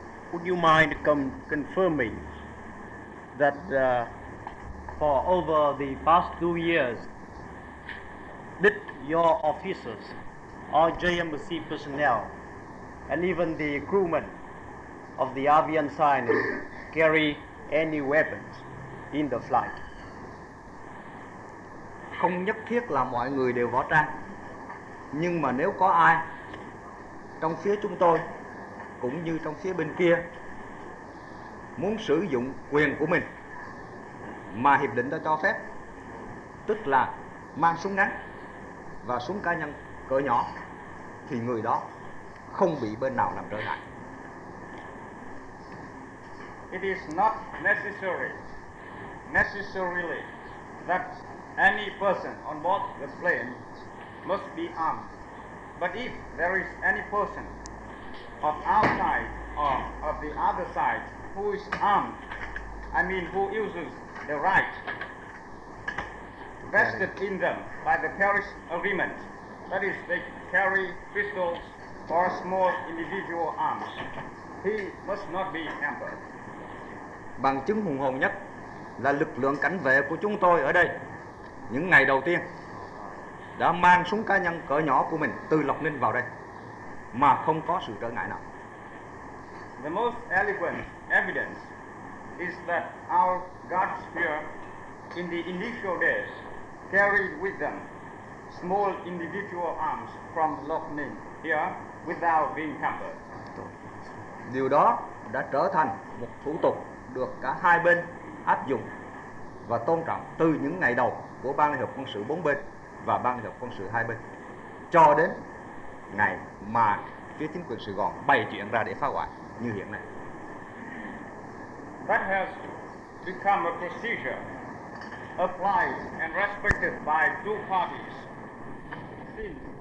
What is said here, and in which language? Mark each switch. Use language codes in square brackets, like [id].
[en] Would you mind confirming that for over the past 2 years, did your officers, or JMC personnel, and even the crewmen of the Avian Sign carry any weapons in the flight? [vi] Không nhất thiết là mọi người đều võ trang, nhưng mà nếu có ai trong phía chúng tôi cũng như trong phía bên kia muốn sử dụng quyền của mình mà hiệp định đã cho phép, tức là mang súng ngắn và súng cá nhân cỡ nhỏ, thì người đó không bị bên nào làm trở ngại. [en] It is not necessarily that any person on board the plane must be armed. But if there is any person of our side or of the other side who is armed, I mean who uses the right vested in them by the Paris Agreement, that is, they carry pistols or small individual arms, he must not be hampered. [vi] Bằng chứng hùng hồn nhất là lực lượng cảnh vệ của chúng tôi ở đây những ngày đầu tiên đã mang súng cá nhân cỡ nhỏ của mình từ Lộc Ninh vào đây mà không có sự trở ngại nào. [en] The most eloquent evidence is that our guards here in the initial days carried with them small individual arms from Lộc Ninh here without being hampered. [vi] Điều đó đã trở thành một thủ tục được cả hai bên áp dụng và tôn trọng từ những ngày đầu của Ban Liên Hợp Quân sự bốn bên và Ban Liên Hợp Quân sự hai bên cho đến ngày mà phía chính quyền Sài Gòn bày chuyện ra để phá hoại như hiện nay. [en] That has become a procedure applied and respected by two parties since.